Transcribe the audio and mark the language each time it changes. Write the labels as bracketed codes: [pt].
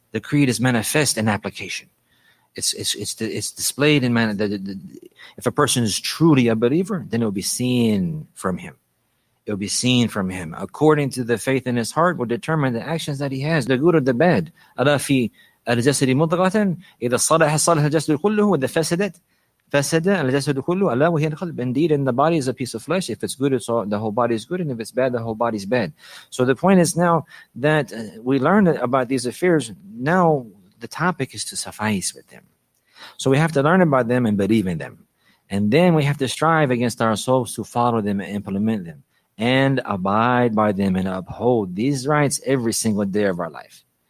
[en] The creed is manifest in application. It's displayed in manner that if a person is truly a believer, then it will be seen from him. It will be seen from him according to the faith in his heart will determine the actions that he has, the good or the bad. [ar] الجسد مضغة إذا صلح صلح الجسد كله وإذا فسدت فسد الجسد كله ألا وهي القلب. [en] Indeed, in the body is a piece of flesh. If it's good, it's all, the whole body is good. And if it's bad, the whole body is bad. So the point is now that we learn about these affairs, now the topic is to suffice with them. So we have to learn about them and believe in them. And then we have to strive against our souls to follow them and implement them and abide by them and uphold these rights every single day of our life.